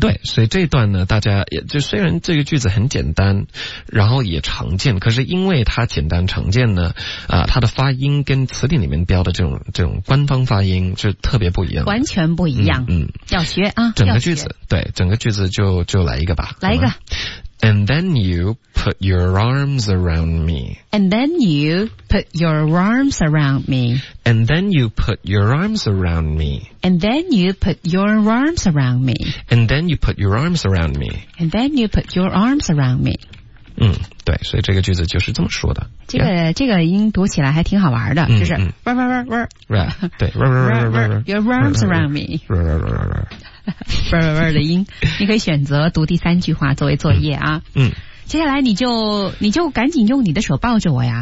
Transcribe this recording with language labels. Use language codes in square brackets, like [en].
[zh] 对，所以这段呢，大家也就虽然这个句子很简单，然后也常见，可是因为它简单常见呢，它的发音跟词典里面标的这种官方发音就特别不一样，完全不一样。要学啊，整个句子，对，整个句子就来一个吧，来一个。 [en] And then you put your arms around me. And then you put your arms around me. And then you put your arms around me. And then you put your arms around me. And then you put your arms around me. And then you put your arms around me. [zh] 对，所以这个句子就是这么说的。这个音读起来还挺好玩的，就是 [en] Your arms around me. [zh] Rrrr 的音，你可以选择读第三句话作为作业啊。接下来你就赶紧用你的手抱着我呀。